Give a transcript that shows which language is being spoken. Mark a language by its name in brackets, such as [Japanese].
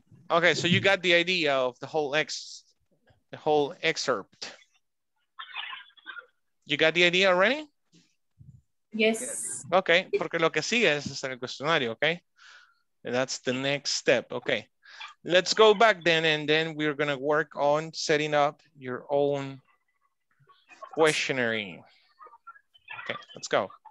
[English] Okay, so you got the idea of the whole excerpt. You got the idea already? Yes. [Spanish] Okay, porque lo que sigue es hacer el cuestionario, okay? [English] That's the next step. Okay, let's go back then, and then we're going to work on setting up your own questionnaire. Okay, let's go.